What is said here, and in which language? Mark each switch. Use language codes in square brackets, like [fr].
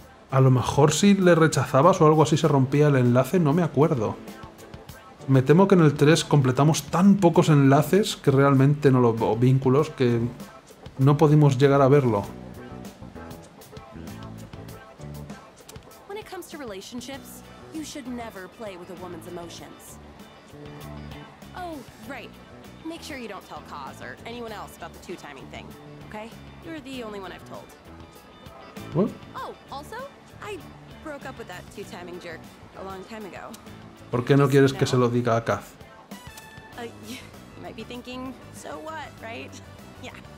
[es] A lo mejor si le rechazabas o algo así se rompía el enlace, no me acuerdo. Me temo que en el 3 completamos tan pocos enlaces que realmente no los vínculos que no pudimos llegar a verlo. [en] When it comes to relationships, you should never play with a woman's emotions. Oh, right. Make sure you don't tell Kaz or anyone else about the two timing thing, okay? You're the only one I've told. What? Oh, also I broke up with that two-timing jerk a long time ago. [es] ¿Por qué no quieres que se lo diga a Kaz? [en] You might be thinking, so what, right? Yeah.